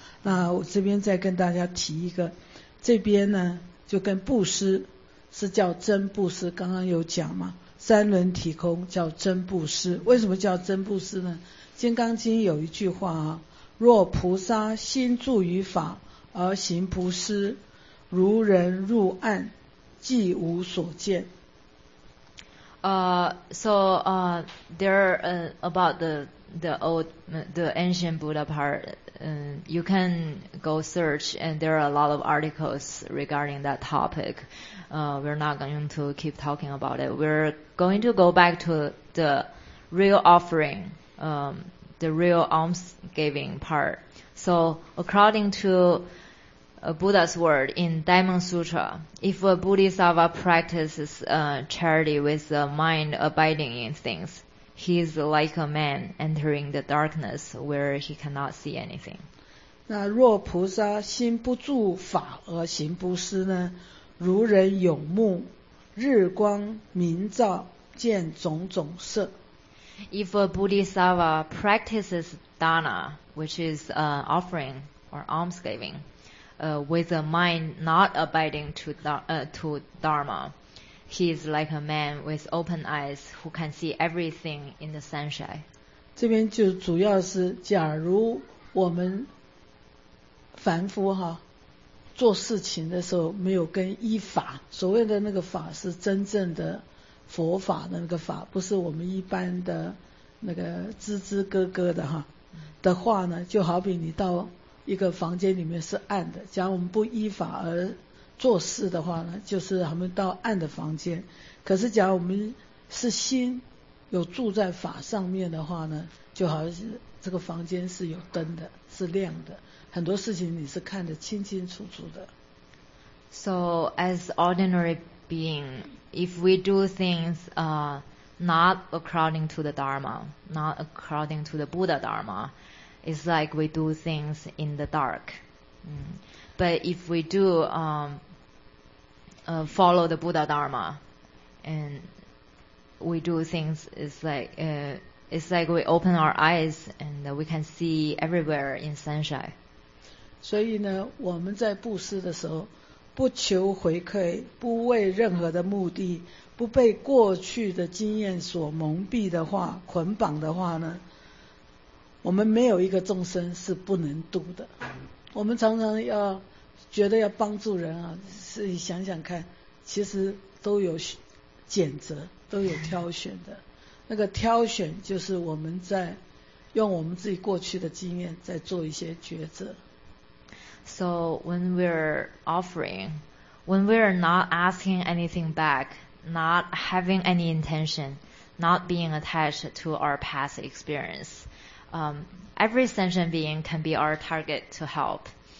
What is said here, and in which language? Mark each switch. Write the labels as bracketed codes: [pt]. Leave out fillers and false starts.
[zh] 那我这边再跟大家提一个，这边呢就跟布施是叫真布施，刚刚有讲嘛，三轮体空叫真布施。为什么叫真布施呢？《金刚经》有一句话啊，若菩萨心住于法而行布施，如人入暗，即无所见。 [en] There about the ancient Buddha part, you can go search, and there are a lot of articles regarding that topic. We're not going to keep talking about it. We're going to go back to the real offering, the real almsgiving part. So according to Buddha's word in Diamond Sutra, if a Bodhisattva practices charity with the mind abiding in things, he is like a man entering the darkness where he cannot see anything. [zh] 那若菩萨心不住法而行布施呢，如人有目，日光明照，见种种色。 [en] If a Bodhisattva practices dana, which is offering or almsgiving, with a mind not abiding to Dharma, he is like a man with open eyes who can see everything in the sunshine. [zh] 这边就主要是，假如我们凡夫哈做事情的时候没有跟依法，所谓的那个法是真正的佛法的那个法，不是我们一般的那个吱吱咯咯的哈的话呢，就好比你到一个房间里面是暗的，假如我们不依法而做事的话呢，就是他们到暗的房间。可是假如我们是心有住在法上面的话呢，就好像这个房间是有灯的，是亮的，很多事情你是看得清清楚楚的。 [en] So as ordinary being, if we do things not according to the Dharma, not according to the Buddha Dharma,It's like we do things in the dark. But if we do follow the Buddha Dharma, and we do things, it's like we open our eyes and we can see everywhere in sunshine. [zh] 所以呢，我们在布施的时候，不求回馈，不为任何的目的，不被过去的经验所蒙蔽的话，捆绑的话呢，我们没有一个众生是不能度的。我们常常要觉得要帮助人啊，自己想想看，其实都有拣择，都有挑选的。那个挑选就是我们在用我们自己过去的经验在做一些抉择。 [en] So when we're offering, when we're not asking anything back, not having any intention, not being attached to our past experience,every sentient being can be our target to help.